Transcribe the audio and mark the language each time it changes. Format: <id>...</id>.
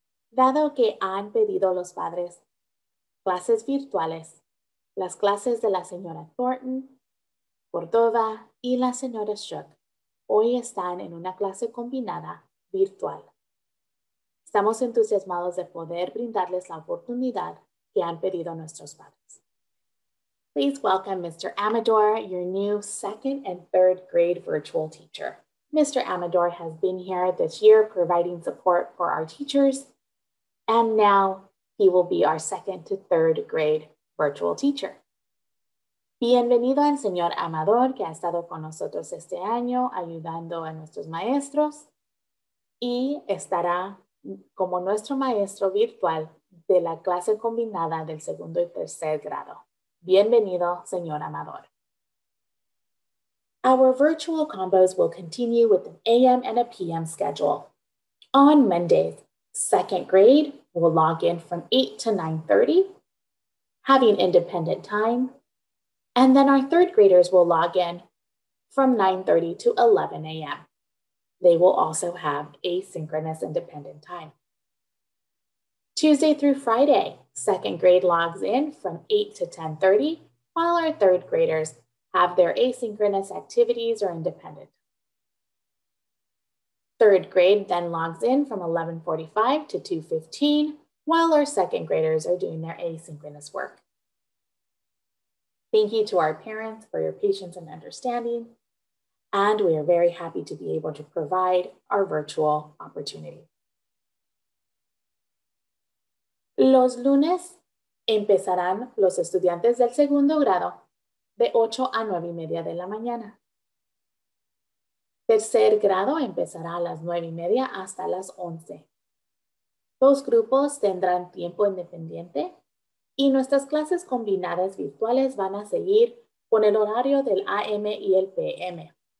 <es>Dado que han pedido los padres clases virtuales, las clases de la señora Thornton, Cordova y la señora Shook hoy están en una clase combinada virtual. Estamos entusiasmados de poder brindarles la oportunidad que han pedido nuestros padres.</es> <en>Please welcome Mr. Amador, your new second and third grade virtual teacher. Mr. Amador has been here this year providing support for our teachers, and now he will be our second to third grade virtual teacher.</en> <es>Bienvenido al señor Amador, que ha estado con nosotros este año ayudando a nuestros maestros y estará como nuestro maestro virtual de la clase combinada del segundo y tercer grado. Bienvenido, señor Amador.</es> <en>Our virtual combos will continue with an AM and a PM schedule. On Mondays, second grade will log in from 8 to 9:30, having independent time, and then our third graders will log in from 9:30 to 11 a.m. They will also have asynchronous independent time. Tuesday through Friday, second grade logs in from 8 to 10:30, while our third graders have their asynchronous activities or independent. Third grade then logs in from 11:45 to 2:15, while our second graders are doing their asynchronous work. Thank you to our parents for your patience and understanding, and we are very happy to be able to provide our virtual opportunity.</en> <es>Los lunes empezarán los estudiantes del segundo grado de 8 a 9 y media de la mañana. Tercer grado empezará a las 9 y media hasta las 11. Dos grupos tendrán tiempo independiente y nuestras clases combinadas virtuales van a seguir con el horario del AM y el PM.</es>